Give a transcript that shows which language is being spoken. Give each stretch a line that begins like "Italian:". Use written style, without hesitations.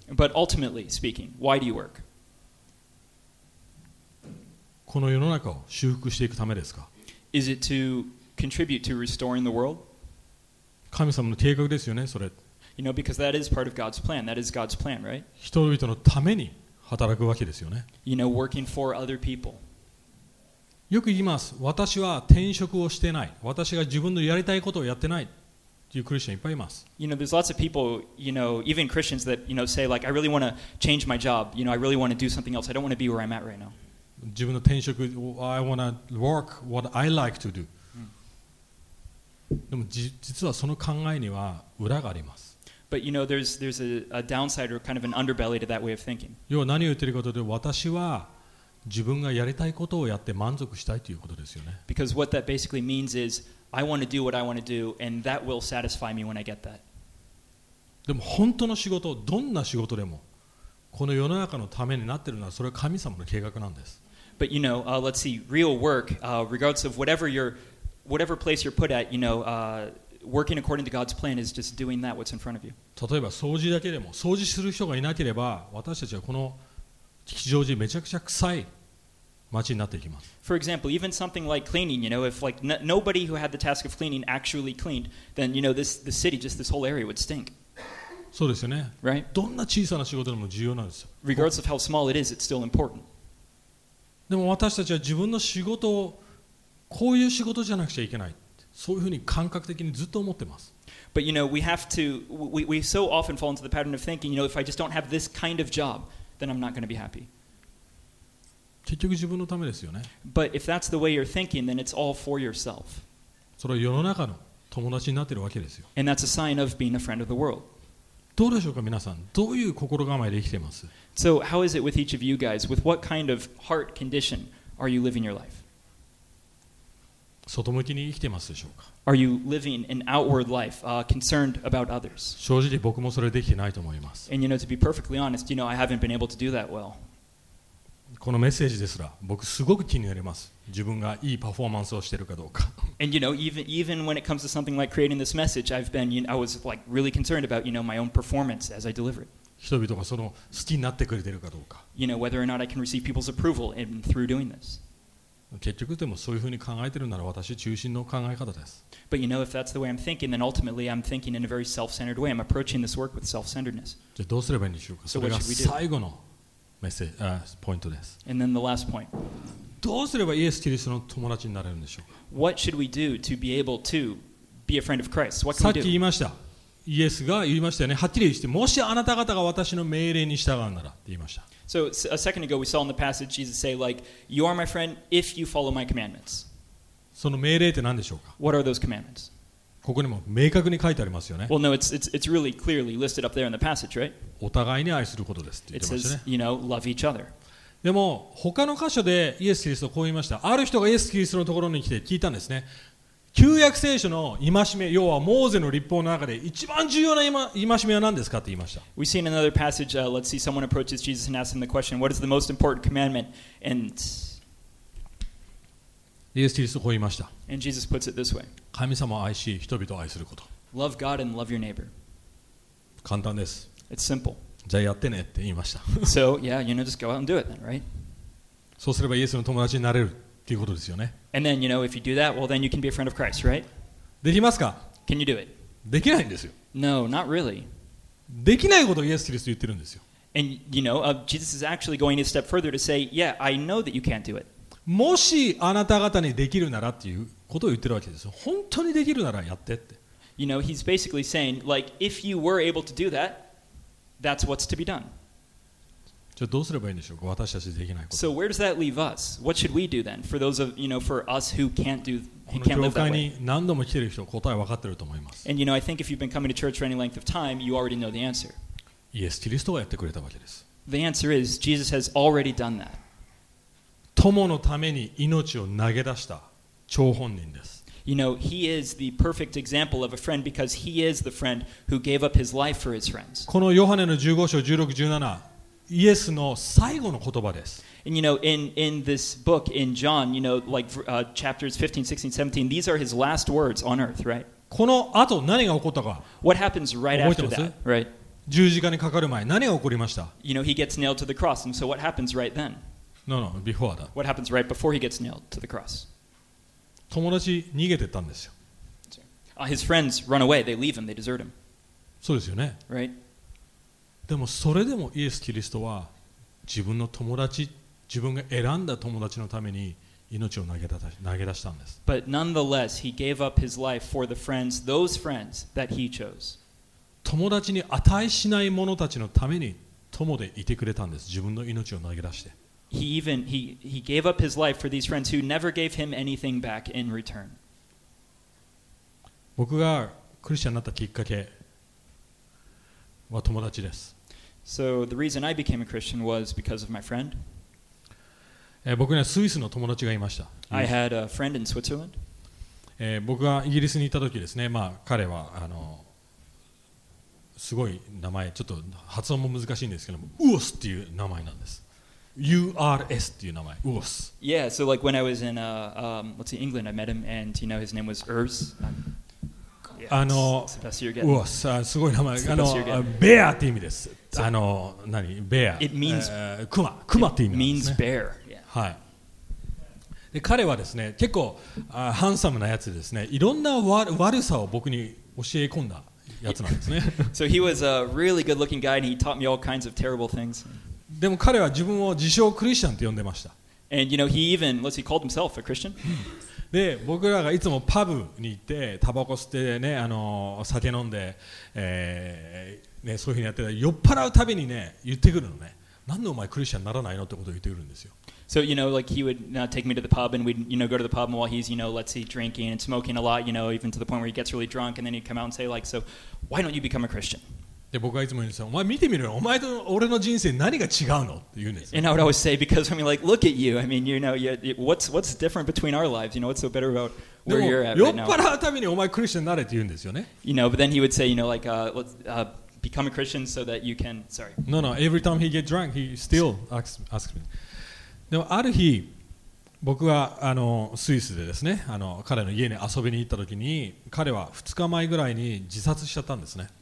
English: But ultimately speaking, why do you work?
Japanese: この世の中を修復していくためですか?
English: Is it to contribute to restoring the world?
Japanese: 神様の計画ですよね、それ。
English: You know because that is part of God's plan. That is God's plan, right?
Japanese: 人々のために働くわけですよね。
English: You know working for other people.
Japanese: よく言います。私は転職をしてない。私が自分のやりたいことをやってないというクリスチャンいっぱいいます。
English: You know, there's lots of people, you know, even Christians that, you know, say like, I really want to change my job. You know, I really want to do something else. I don't want to be where I'm at right now.
Japanese: 自分の転職、
English: I want to work what I like to do.、
Japanese: でも実はその考えには裏があります。
English: But, you know, there's a downside or kind of an underbelly to that way of thinking.
Japanese: 要は何を言ってるかというと、私は自分がやりたいことをやって満足したいということですよね。
English: Because what that basically means is, I want to do what I want to do, and that will satisfy me when I get that.
Japanese: でも本当の仕事、どんな仕事でも、この世の中のためになっているのは、それは神様の計画なんです。
English: But you know, let's see, real work, regardless of whatever place you're put at, you know, working according to God's plan is just doing that what's in front of you.
Japanese: 例えば掃除だけでも、掃除する人がいなければ、私たちはこの吉祥寺めちゃくちゃ臭い街になっていきます。
English: For example, even something like cleaning, you know, if like nobody who had the task of cleaning actually cleaned, then you know the city, just this whole area would stink.
Japanese: そうですよね。
English: Right?
Japanese: どんな小さな仕事でも重要なんですよ。
English: Regardless of how small it is, it's still important.
Japanese: でも私たちは自分の仕事をこういう仕事じゃなくちゃいけない。そういうふうに感覚的にずっと思ってます。
English: But you know, we so often fall into the pattern of thinking, you know, if I just don't have this kind of job,then I'm not going to be happy.
Japanese: 結局自分のためですよね。
English: But if that's the way you're thinking, then it's all for yourself.
Japanese: それは世の中の友達になっているわけですよ。
English: And that's a sign of being a friend of the world.
Japanese: どうでしょうか、皆さん。どういう心構えで生きてます?
English: So how is it with each of you guys? With what kind of heart condition are you living your life?
Japanese: 外向きに生きてますでしょうか?
English: Are you living an outward life, concerned about others?
Japanese: 正直僕もそれできてないと思います。
English: And you know, to be perfectly honest, you know, I haven't been able to do that well.
Japanese: このメッセージですら、僕すごく気になります。自分がいいパフォーマンスをしているかどうか。
English: And you know, even when it comes to something like creating this message, I was like really concerned about, you know, my own performance as I deliver it.
Japanese: 人々がその好きになってくれてるかどうか。
English: You know, whether or not I can receive people's approval and through doing this.
Japanese: 結局でもそういうふうに考えているなら私中心の考え方です。
English: But you know, if that's the way I'm thinking, then ultimately I'm thinking in a very self-centered way. I'm approaching this work with self-centeredness.
Japanese: じゃあどうすればいいんでしょうか。それが最後のメッセージ、ポイントです。
English: And then the last point.
Japanese: どうすればイエス・キリストの友達になれるんでしょうか。
English: What should we do to be able to be a friend of Christ? What can we do?
Japanese: さっき言いました。イエスが言いましたよね。はっきり言って、もしあなた方が私の命令に従うならって言いました。
English: So a second ago, we saw in the passage Jesus say, like, you are my friend if you follow my commandments.
Japanese: その命令って何でしょうか?
English: What are those commandments?
Japanese: ここにも明確に書いてありますよね。
English: Well, no, it's really clearly listed up there in the passage, right?
Japanese: お互いに愛することですって言ってましたね。
English: It says, you know, love each other.
Japanese: でも他の箇所でイエス・キリストはこう言いました。ある人がイエス・キリストのところに来て聞いたんですね。旧約聖書の戒め、要はモーゼの律法の中で一番重要な戒めは何ですかって言いました。
English: We see in another passage, let's see, someone approaches Jesus and asks him the question, what is the most important commandment? And
Japanese: イエス・キリストはこう言いました。
English: And Jesus puts it this way.
Japanese: 神様を愛し、人々を愛すること。
English: Love God and love your neighbor.
Japanese: 簡単です。
English: It's simple.
Japanese: じゃあやってねって言いました。
English: So, yeah, you know, just go out and do it then, right?
Japanese: そうすればイエスの友達になれるっていうことですよね。
English: And then, you know, if you do that, well, then you can be a friend of Christ, right?
Japanese: できますか?
English: Can you do it?
Japanese: できないんですよ。
English: No, not really.
Japanese: できないことをイエス・キリスト言ってるんですよ。
English: And, you know, Jesus is actually going a step further to say, yeah, I know that you can't do it.
Japanese: もしあなた方にできるならっていうことを言ってるわけですよ。本当にできるならやってって。
English: You know, he's basically saying, like, if you were able to do that,That's what's to be done.
Japanese: じゃあどうすればいいんでしょうか私たちできないこと。
English: So where does that leave us? What should we do then? For those of, you know, for us who can't do, can't live that way.
Japanese: この教会に何度も来てる人、答え分かってると思います。
English: And you know, I think if you've been coming to church for any length of time, you already know the answer.
Japanese: イエス・キリストがやってくれたわけです。
English: The answer is, Jesus has already done that.
Japanese: 友のために命を投げ出した張本人です。
English: You know, he is the perfect example of a friend because he is the friend who gave up his life for his friends.
Japanese: このヨハネの15章16、17、イエスの最後の言葉です。
English: And you know, in this book, in John, you know, like chapters 15, 16, 17, these are his last words on earth, right?
Japanese: この後何が起こったか?
English: What happens right after that, right?
Japanese: 十字架にかかる前、何が起こりました?
English: You know, he gets nailed to the cross, and so what happens right then? No, no, before that. What happens right before he gets nailed to the cross?
Japanese: 友達逃げてったんですよ。
English: His friends run away. They leave him. They desert him.
Japanese: そうですよね。
English: Right.
Japanese: でもそれでもイエス・キリストは自分の友達、自分が選んだ友達のために命を投げ出したんです。
English: But nonetheless, he gave up his life for the friends, those friends that he chose.
Japanese: 友達に値しない者たちのために友でいてくれたんです。自分の命を投げ出して。
English: He gave up his life for these friends who never gave him anything back in return.
Japanese: 僕がクリスチャンになったきっかけは友達です。
English: So the reason I became a Christian was because of my friend.
Japanese: 僕にはスイスの友達がいました。
English: I had a friend in Switzerland.
Japanese: 僕がイギリスに行った時ですね、まあ彼はすごい名前、ちょっと発音も難しいんですけども、ウォスっていう名前なんです。 U-R-S っていう名前、Urs.
English: Yeah, so like when I was in, let's see, England, I met him, and you know his name was Urs. It's the best you're getting. Urs,
Japanese: すごい名前。 Bear って意味です。何 ?Bear。
English: It means...
Japanese: クマって意味ですね。
English: It means bear, yeah.
Japanese: はい。で、彼はですね、結構ハンサムなやつですね。いろんな悪さを僕に教え込んだやつなんですね。
English: So he was a really good-looking guy, and he taught me all kinds of terrible things.
Japanese: でも彼は自分を自称クリスチャンと呼んでました。
English: And you know, he even, let's see, called himself a Christian.
Japanese: で、僕らがいつもパブに行って、タバコ吸ってね、酒飲んで、ね、そういうふうにやってた、酔っ払うたびにね、言ってくるのね。なんでお前クリスチャンにならないのってことを言ってくるんですよ。
English: So, you know, like he would take me to the pub and we'd, you know, go to the pub and while he's, you know, let's see, drinking and smoking a lot, you know, even to the point where he gets really drunk and then he'd come out and say, like, so, why don't you become a Christian?
Japanese: で僕はいつも言うんですよ。お前見てみろよ。お前と俺の人生何が違うのって言うんですよ。
English: And I would always say, because I mean, like, look at you. I mean, you know, what's different between our lives? You know, what's so better about where you're at right now?
Japanese: でも酔っ払うためにお前クリスチャンになれって言うんですよね。
English: You know, but then he would say, you know, like, become a Christian so that you can, sorry. No, every time he get drunk, he still asks me.
Japanese: でもある日、僕はスイスでですね、彼の家に遊びに行った時に、彼は2日前ぐらいに自殺しちゃったんですね。